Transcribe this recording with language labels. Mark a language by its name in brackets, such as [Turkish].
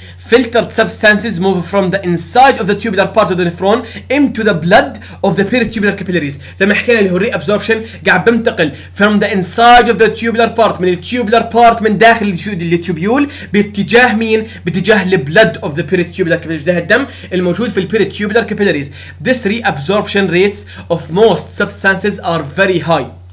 [English] filtered substances move from the inside of the tubular part of the nephron into the blood of the peritubular capillaries. [Arabic] زي ما حكينا اللي هو reabsorption قاعد بنتقل [English] from the inside of the tubular part, [Arabic] من التيوبولار بارت من داخل التيوبيول باتجاه مين؟ باتجاه [English] the blood of the peritubular capillaries, [Arabic] ده الدم الموجود في peritubular capillaries. [English] This reabsorption rates of most substances are very high.